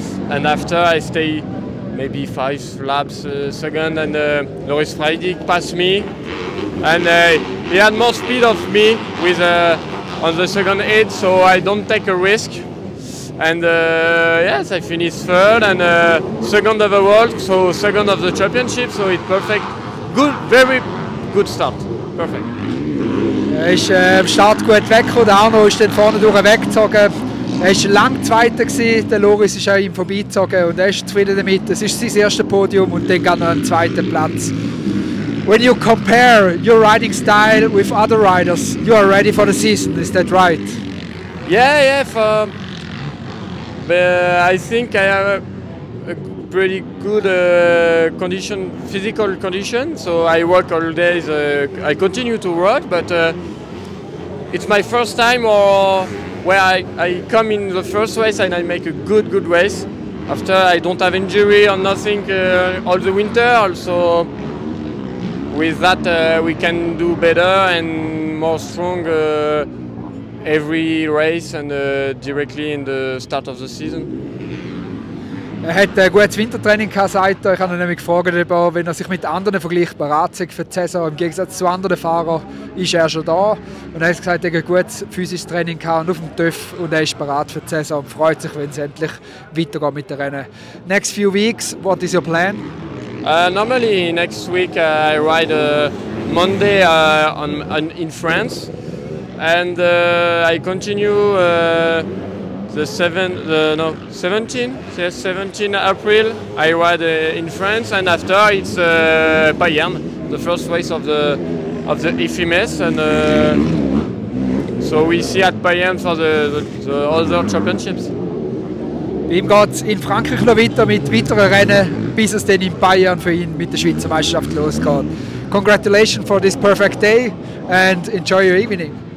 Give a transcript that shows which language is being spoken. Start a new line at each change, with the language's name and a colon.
English: And after I stay maybe five laps second, and Loris Freidig passed me, and he had more speed of me with on the second heat, so I don't take a risk. And yes, I finished third and second of the world, so second of the championship, so it's perfect. Good, very good start. Perfect.
German: Er ist am Start gut weggekommen, Arno ist dann vorne durch weggezogen. Er war lang Zweiter, der Loris ist auch ihm vorbeigezogen und er ist zufrieden damit. Das ist sein erstes Podium und dann geht noch einen zweiten Platz.
English: When you compare your riding style with other riders, you are ready for the season, is that right? Yeah, yeah. I think I have a pretty good condition, physical condition, so I work all day, I continue to work, but it's my first time where I come in the first race and I make a good race. After, I don't have injury or nothing all the winter, so with that we can do better and more strong every race and directly in the start of the season.
German: Er hat ein gutes Wintertraining gehabt, sagt er. Ich habe ihn nämlich gefragt, ob er, wenn er sich mit anderen vergleicht, bereit sei für die Saison. Im Gegensatz zu anderen Fahrern ist er schon da. Und er hat gesagt, er hat ein gutes physisches Training gehabt und auf dem TÜV. Und er ist bereit für die Saison und freut sich, wenn es endlich weitergeht mit dem Rennen.
English: Next few weeks, what is your plan? Normally, next week I ride Monday in France. And I continue the 17 April. I ride in France, and after it's Bayern, the first race of the IFIMES, and so we see at Bayern for the other championships.
German: Ihm geht's in Frankreich noch weiter mit weiteren Rennen, bis es dann in Bayern für ihn mit der Schweizer Meisterschaft losgeht.
English: Congratulations for this perfect day, and enjoy your evening.